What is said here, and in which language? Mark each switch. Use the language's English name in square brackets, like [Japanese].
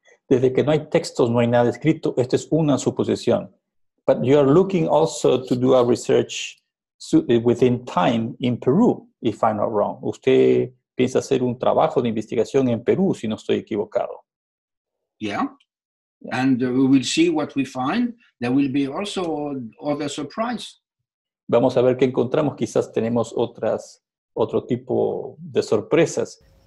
[Spanish] Desde que no hay textos, no hay nada escrito. Esta es una suposición. [English] But you are looking also to do a research within time in Peru, if I'm not wrong. [Spanish] Usted piensa hacer un trabajo de investigación en Perú, si no estoy equivocado. [English] Yeah. And we will see what we find. There will be also other surprise. [Spanish] Vamos a ver qué encontramos. Quizás tenemos otro tipo de sorpresas.